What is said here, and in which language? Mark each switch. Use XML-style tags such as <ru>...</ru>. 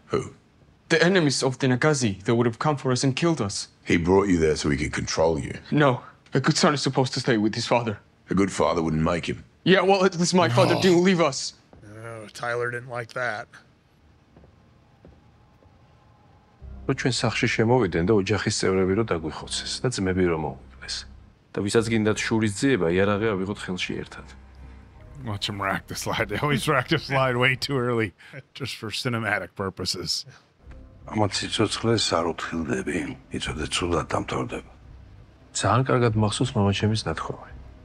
<en>Who? The enemies of the Nagazi. They would have come for us and killed us. He brought you there so he could control you. No. A good son is supposed to stay with his father. A good father wouldn't make him. Yeah, well, at least my father didn't leave us. Oh, Tyler didn't like that.</en> <ka>ჩვენ სახში შემოვიდნენ და ოჯახის წევრები რო დაგვიხოცეს და ძმები რო მოუკვლეს და ვისაც გინდათ შურის ძიება იარაღი ავიღოთ ხელში ერთად.</ka> <en>Watch him rack the slide. They always rack the slide way too early just for cinematic purposes.</en> <ka>ამაც სიცოცხლეს არ უთხილდები, იცოდე ცუდად დამთავრდება. ძალიან კარგად მახსოვს მამაჩემის ნათხოვარი.</ka>